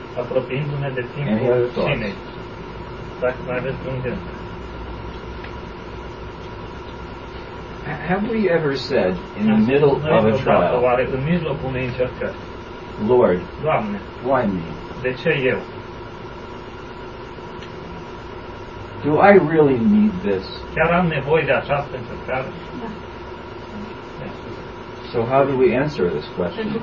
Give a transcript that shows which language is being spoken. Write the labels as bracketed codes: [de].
[ro] apropiindu-ne de timpul cinei, dacă mai aveți un gând. [en] Have we ever said in the middle of a trial, [ro] oare, în mijlocul unei încercări, [en] Lord, [ro] Doamne, [en] why me? [ro] De ce eu? [en] Do I really need this? [ro] Chiar am nevoie de această încercare? [en] So how do we answer this question?